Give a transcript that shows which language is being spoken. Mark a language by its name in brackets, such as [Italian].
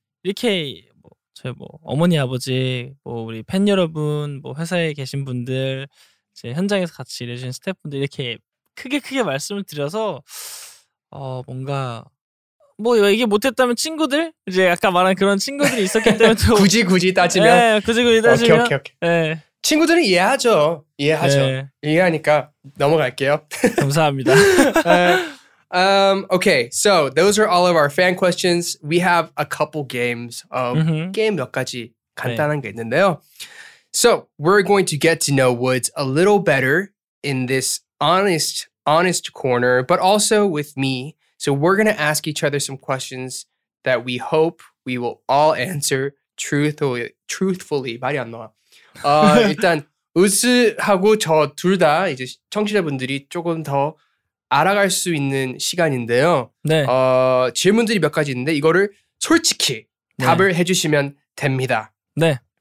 [Korean] 이렇게 뭐 저희 뭐 어머니 아버지 뭐 우리 팬 여러분 뭐 회사에 계신 분들 이제 현장에서 같이 일해주신 스태프분들 이렇게 크게 말씀을 드려서 뭔가 뭐 얘기 못했다면 친구들 이제 아까 말한 그런 친구들이 있었기 때문에 또 굳이 따지면 네, 굳이 따지면 오케이. 네. 친구들은 이해하죠. 네. 이해하니까 넘어갈게요. 감사합니다. [English] Okay, so those are all of our fan questions. We have a couple games. [Korean] 게임 몇 가지 간단한 네. 게 있는데요. [English] So we're going to get to know Woods a little better in this honest corner, but also with me. So we're going to ask each other some questions that we hope we will all answer truthfully. [Korean] 말이 안 나와. 일단 우즈하고 저 둘 다 이제 청취자분들이 조금 더 알아갈 수 있는 시간인데요. 네. 질문들이 몇 가지 있는데 이거를 솔직히 답을 네. 해주시면 됩니다. 네.